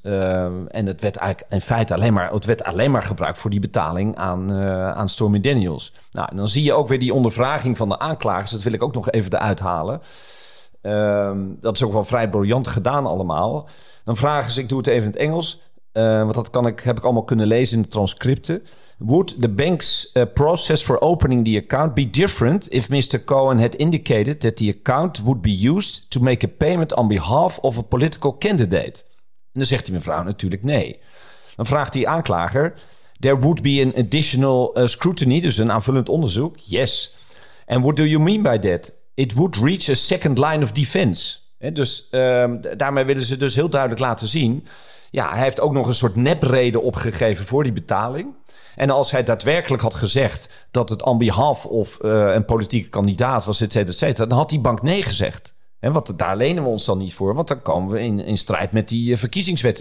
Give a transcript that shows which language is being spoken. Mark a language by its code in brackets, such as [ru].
[nl] En het werd eigenlijk in feite alleen maar gebruikt voor die betaling aan Stormy Daniels. Nou, en dan zie je ook weer die ondervraging van de aanklagers. Dat wil ik ook nog even eruit halen. Dat is ook wel vrij briljant gedaan allemaal. Dan vragen ze, ik doe het even in het Engels. Want dat heb ik allemaal kunnen lezen in de transcripten. [en] Would the bank's process for opening the account be different if Mr. Cohen had indicated that the account would be used to make a payment on behalf of a political candidate? [nl] En dan zegt die mevrouw natuurlijk nee. Dan vraagt die aanklager, [en] there would be an additional scrutiny, [nl] dus een aanvullend onderzoek. [en] Yes. And what do you mean by that? It would reach a second line of defense. [nl] He, dus daarmee willen ze dus heel duidelijk laten zien, ja, hij heeft ook nog een soort nepreden opgegeven voor die betaling. En als hij daadwerkelijk had gezegd dat het [en] on behalf of [nl] een politieke kandidaat was, et cetera, et cetera, dan had die bank nee gezegd. En wat, daar lenen we ons dan niet voor, want dan komen we in strijd met die verkiezingswet.